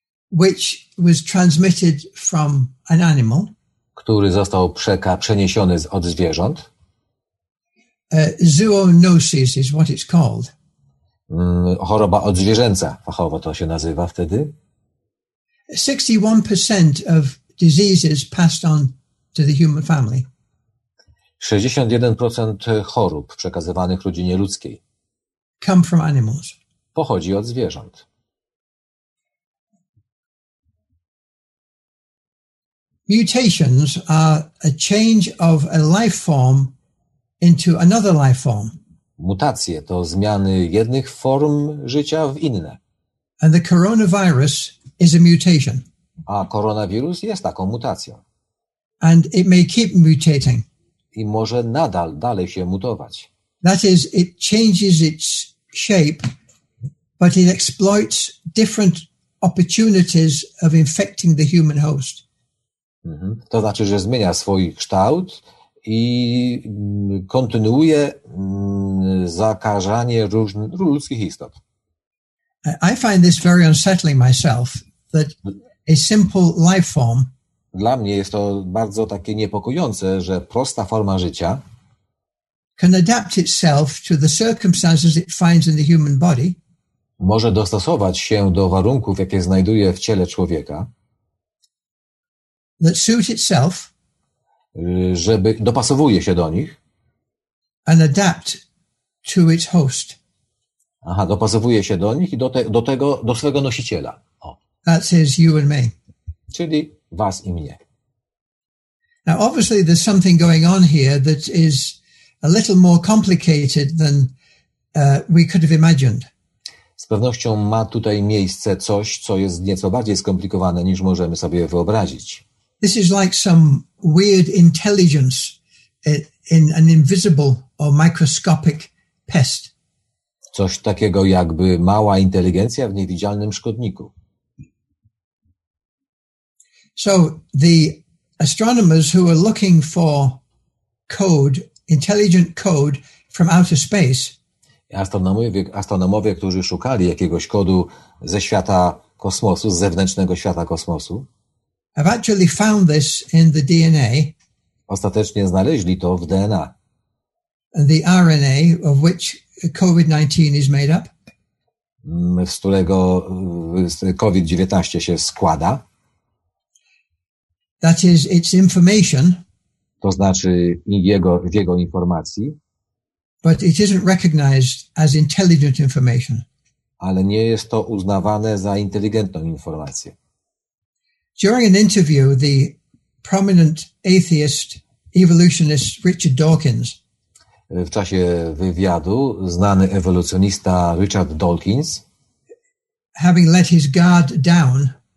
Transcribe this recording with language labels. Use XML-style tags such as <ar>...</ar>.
<en>which was transmitted from an animal.</en> <pl>Który został przeniesiony od zwierząt.</pl> <en>Zoonosis is what it's called.</en> <pl>Choroba odzwierzęca, fachowo to się nazywa wtedy.</pl> <en>61% of diseases passed on to the human family.</en> <pl>61% chorób przekazywanych rodzinie ludzkiej</pl> <en>come from animals.</en> <pl>Pochodzi od zwierząt.</pl> <en>Mutations are a change of a life form into another life form.</en> <pl>Mutacje to zmiany jednych form życia w inne.</pl> <en>And the coronavirus is a mutation.</en> <pl>A koronawirus jest taką mutacją.</pl> <en>And it may keep mutating.</en> <pl>I może nadal dalej się mutować.</pl> <en>That is, it changes its shape, but it exploits different opportunities of infecting the human host. Mm-hmm.</en> <pl>To znaczy, że zmienia swój kształt i kontynuuje zakażanie różnych ludzkich istot.</pl> <en>I find this very unsettling myself, that a simple life form.</en> <pl>Dla mnie jest to bardzo takie niepokojące, że prosta forma życia</pl> <en>can adapt itself to the circumstances it finds in the human body.</en> <pl>Może dostosować się do warunków, jakie znajduje w ciele człowieka.</pl> <en>That suit itself.</en> <pl>Żeby dopasowuje się do nich.</pl> <en>And adapt to its host.</en> <pl>Aha, dopasowuje się do nich i do swego nosiciela. O.</pl> <en>That says you and me.</en> <pl>Czyli was i mnie.</pl> <en>Now obviously there's something going on here that is a little more complicated than we could have imagined.</en> <pl>Z pewnością ma tutaj miejsce coś, co jest nieco bardziej skomplikowane, niż możemy sobie wyobrazić.</pl> <en>This is like some weird intelligence in an invisible or microscopic pest.</en> <pl>Coś takiego jakby mała inteligencja w niewidzialnym szkodniku.</pl> <en>So the astronomers who are looking for code, intelligent code from outer space.</en> <pl>Astronomowie, którzy szukali jakiegoś kodu ze świata kosmosu, z zewnętrznego świata kosmosu.</pl> <en>Have actually found this in the DNA.</en> <pl>Ostatecznie znaleźli to w DNA.</pl> <en>And the RNA of which COVID-19 is made up.</en> <pl>Z którego COVID-19 się składa.</pl> <en>That is its information.</en> <pl>To znaczy jego informacji.</pl> <en>But it isn't recognized as intelligent information.</en> <pl>Ale nie jest to uznawane za inteligentną informację.</pl> <en>During an interview, the prominent atheist evolutionist Richard Dawkins.</en> <pl>W czasie wywiadu znany ewolucjonista Richard Dawkins,</pl> <en>having let his guard down,</en>